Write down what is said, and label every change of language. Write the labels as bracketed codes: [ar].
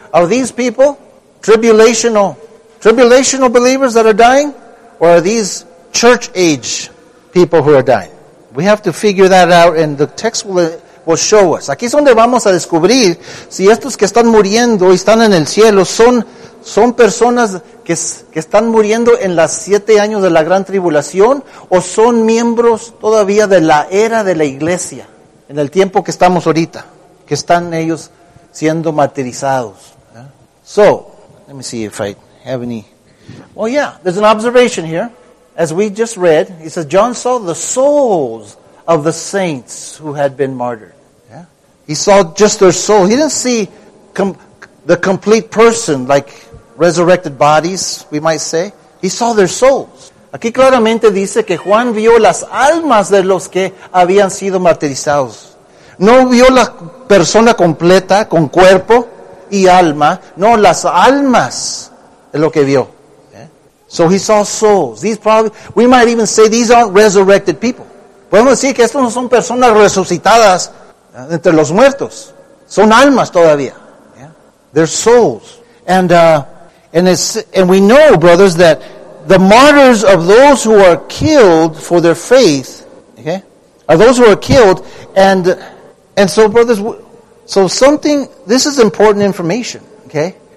[en] Are these people tribulational believers that are dying? Or are these church age people who are dying? We have to figure that out, and the text will show us. [es] Aquí es donde vamos a descubrir si estos que están muriendo y están en el cielo son personas que están muriendo en las siete años de la gran tribulación o son miembros todavía de la era de la iglesia en el tiempo que estamos ahorita, que están ellos siendo martirizados. [en] So, let me see if I... have any... Well, yeah, there's an observation here. as we just read, he says, John saw the souls of the saints who had been martyred. Yeah. He saw just their soul. He didn't see the complete person, like resurrected bodies, we might say. He saw their souls. [es] Aquí claramente dice que Juan vio las almas de los que habían sido martirizados. No vio la persona completa con cuerpo y alma. No, las almas es lo que vio. [en] So he saw souls. These probably, we might even say these aren't resurrected people. [es] Podemos decir que estos no son personas resucitadas entre los muertos. Son almas todavía. [en] Yeah. They're souls. And we know, brothers, that the martyrs of those who are killed for their faith, okay, are those who are killed. And so, brothers, so something, this is important information, okay?